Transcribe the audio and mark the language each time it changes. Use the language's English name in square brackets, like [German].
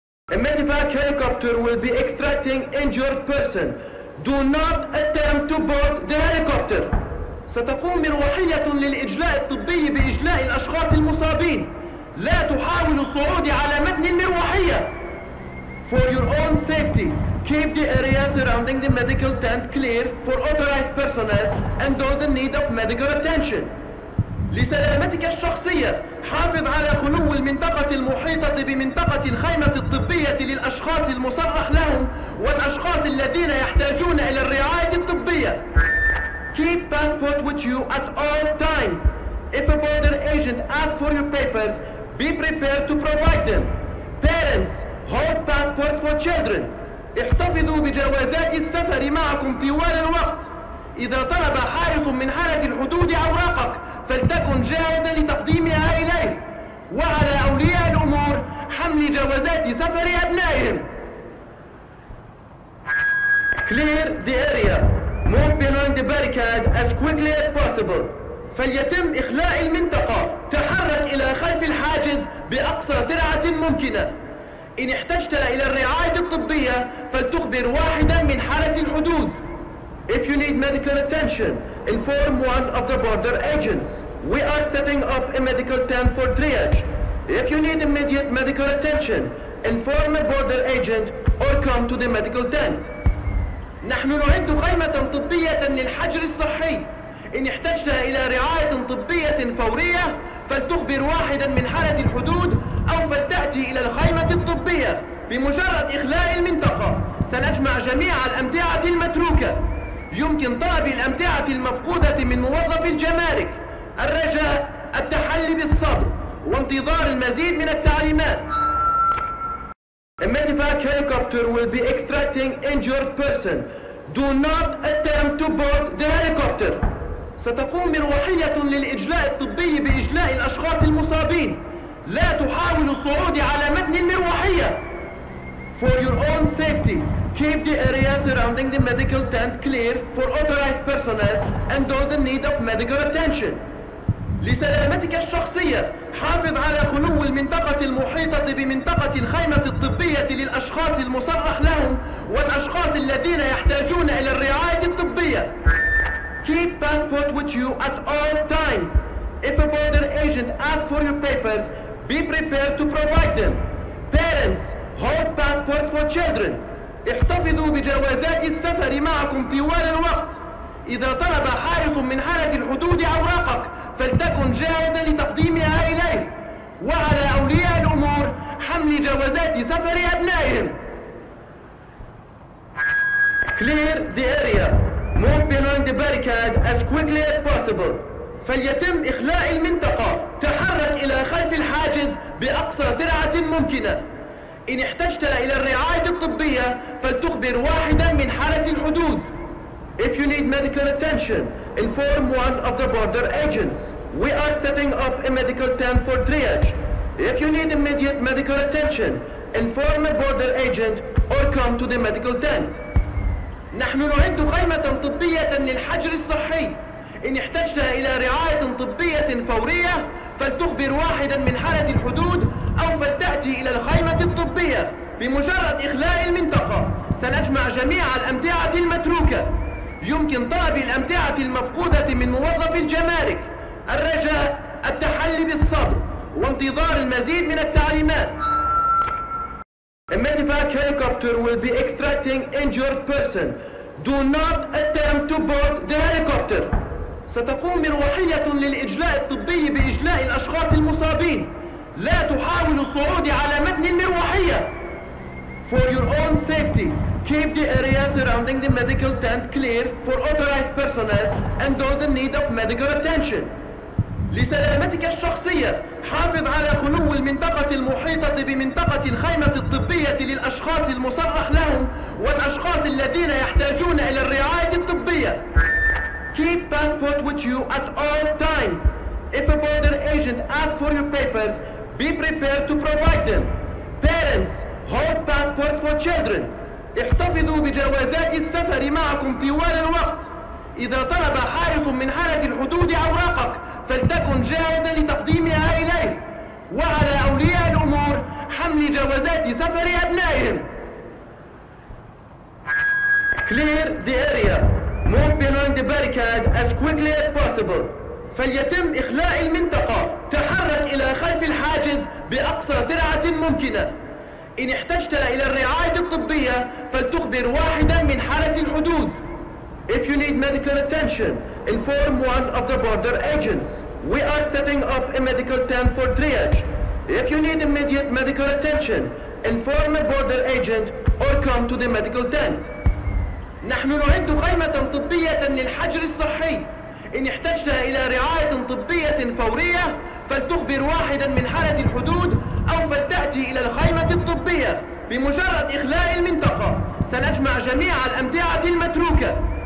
[English] A medevac helicopter will be extracting injured person. Do not attempt to board the helicopter. [Arabic] ستقوم مروحية للإجلاء الطبي بإجلاء الأشخاص المصابين. لا تحاول الصعود على متن المروحية. [English] For your own safety, keep the area surrounding the medical tent clear for authorized personnel and those in need of medical attention. [Arabic] لسلامتك الشخصية، حافظ على خلو المنطقة المحيطة بمنطقة الخيمة الطبية للأشخاص المصرح لهم والأشخاص الذين يحتاجون إلى الرعاية الطبية. [English] Keep passport with you at all times. If a border agent asks for your papers, be prepared to provide them. Parents, hold passport for children. [Arabic] احتفظوا بجوازات السفر معكم طوال الوقت. إذا طلب حارس من حرس الحدود أوراقك، فلتكن جاهزا لتقديمها إليه. وعلى أولياء الأمور حمل جوازات سفر أبنائهم. [English] Clear the area. Move behind the barricade as quickly as possible. [Arabic] فليتم إخلاء المنطقة. تحرك إلى خلف الحاجز بأقصى سرعة ممكنة. إن احتجت إلى الرعاية الطبية فلتخبر واحدا من حرس الحدود. [English] If you need medical attention, inform one of the border agents. We are setting up a medical tent for triage. If you need immediate medical attention, inform a border agent or come to the medical tent. [Arabic] نحن نعد خيمة طبية للحجر الصحي. إن احتجت إلى رعاية طبية فورية فلتخبر واحدا من حرس الحدود أو فلتأتي إلى الخيمة الطبية. بمجرد إخلاء المنطقة سنجمع جميع الأمتعة المتروكة. يمكن طلب الأمتعة المفقودة من موظف الجمارك. الرجاء التحلي بالصبر وانتظار المزيد من التعليمات. [English] A medevac helicopter will be extracting injured person. Do not attempt to board the helicopter. [Arabic] ستقوم مروحية للإجلاء الطبي بإجلاء الأشخاص المصابين. لا تحاول الصعود على متن المروحية. [English] For your own safety, keep the area surrounding the medical tent clear for authorized personnel and those in need of medical attention. [Arabic] لسلامتك الشخصية، حافظ على خلو المنطقة المحيطة بمنطقة الخيمة الطبية للأشخاص المصرح لهم والأشخاص الذين يحتاجون إلى الرعاية الطبية. [English] Keep passport with you at all times. If a border agent asks for your papers, be prepared to provide them. Parents, hold passport for children. [Arabic] احتفظوا بجوازات السفر معكم طوال الوقت. إذا طلب حارس من حرس الحدود أوراقك، فلتكن جاهزا لتقديمها إليه. وعلى أولياء الأمور حمل جوازات سفر أبنائهم. [English] Clear the area. Move behind the barricade as quickly as possible. [Arabic] فليتم إخلاء المنطقة. تحرك إلى خلف الحاجز بأقصى سرعة ممكنة. إن احتجت إلى الرعاية الطبية فلتخبر واحدا من حرس الحدود. [English] If you need medical attention, inform one of the border agents. We are setting up a medical tent for triage. If you need immediate medical attention, inform a border agent or come to the medical tent. [Arabic] نحن نعد خيمة طبية للحجر الصحي. إن احتجت إلى رعاية طبية فورية فلتخبر واحدا من حرس الحدود أو فلتأتي إلى الخيمة الطبية. بمجرد إخلاء المنطقة سنجمع جميع الأمتعة المتروكة. يمكن طلب الأمتعة المفقودة من موظف الجمارك. الرجاء التحلي بالصبر وانتظار المزيد من التعليمات. [English] A medevac helicopter will be extracting injured person. Do not attempt to board the helicopter. [Arabic] ستقوم مروحية للإجلاء الطبي بإجلاء الأشخاص المصابين. لا تحاول الصعود على متن المروحية. [English] For your own safety, keep the area surrounding the medical tent clear for authorized personnel and those in need of medical attention. [Arabic] لسلامتك الشخصية، حافظ على خلو المنطقة المحيطة بمنطقة الخيمة الطبية للأشخاص المصرح لهم والأشخاص الذين يحتاجون إلى الرعاية الطبية. [English] Keep passport with you at all times. If a border agent asks for your papers, be prepared to provide them. Parents, hold passport for children. [Arabic] احتفظوا بجوازات السفر معكم طوال الوقت. إذا طلب حارس من حرس الحدود أوراقك فلتكن جاهزا لتقديمها إليه. وعلى أولياء الأمور حمل جوازات سفر أبنائهم. [English] Clear the area. Move behind the barricade as quickly as possible. [Arabic] فليتم إخلاء المنطقة. تحرك إلى خلف الحاجز بأقصى سرعة ممكنة. إن احتجت إلى الرعاية الطبية فلتخبر واحدا من حرس الحدود. [English] If you need medical attention, inform one of the border agents. We are setting up a medical tent for triage. If you need immediate medical attention, inform a border agent or come to the medical tent. [Arabic] نحن نعد خيمة طبية للحجر الصحي. إن احتجت إلى رعاية طبية فورية فلتخبر واحدا من حرس الحدود أو فلتأتي إلى الخيمة الطبية. بمجرد إخلاء المنطقة سنجمع جميع الأمتعة المتروكة.